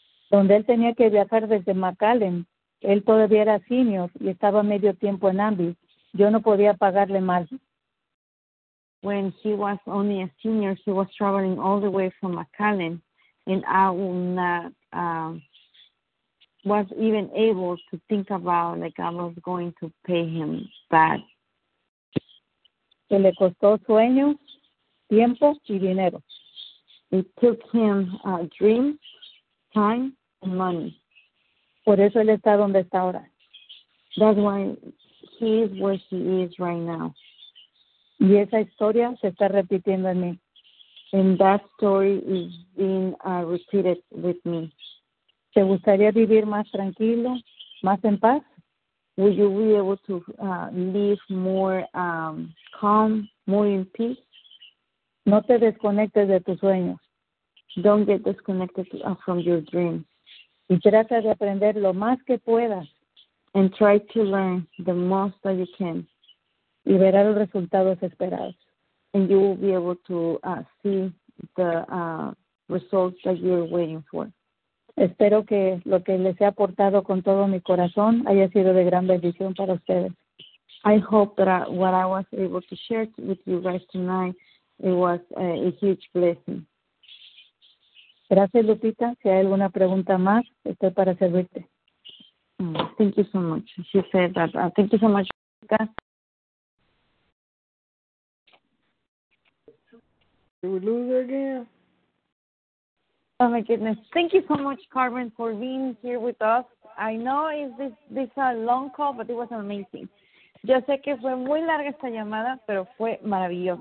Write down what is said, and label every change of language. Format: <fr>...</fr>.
<es>Donde él tenía que viajar desde McAllen, él todavía era senior y estaba medio tiempo en AMBI. Yo no podía pagarle más.</es> <en>When he was only a senior, he was traveling all the way from McAllen and I will not was even able to think about like I was going to pay him back.</en> <es>Se le costó sueño, tiempo y dinero.</es> <en>It took him dreams, time, and money.</en> <es>Por eso él está donde está ahora.</es> <en>That's why he is where he is right now.</en> <es>Y esa historia se está repitiendo en mí.</es> <en>And that story is being repeated with me.</en> <es>¿Te gustaría vivir más tranquilo, más en paz?</es> <en>Would you be able to live more calm, more in peace?</en> <es>No te desconectes de tus sueños.</es> <en>Don't get disconnected from your dreams.</en> <es>Y trata de aprender lo más que puedas.</es> <en>And try to learn the most that you can.</en> <es>Y verás los resultados esperados.</es> <en>And you will be able to see the results that you're waiting for.</en> <es>Espero que lo que les he aportado con todo mi corazón haya sido de gran bendición para ustedes.</es> <en>I hope that what I was able to share with you guys tonight, it was a huge blessing.</en> <es>Gracias, Lupita. Si hay alguna pregunta más, estoy para servirte.</es> <en>Thank you so much. She said that. Thank you so much, Lupita. Did we lose her again? Oh, my goodness. Thank you so much, Carmen, for being here with us. I know this is a long call, but it was amazing.</en> <es>Yo sé que fue muy larga esta llamada, pero fue maravillosa.</es>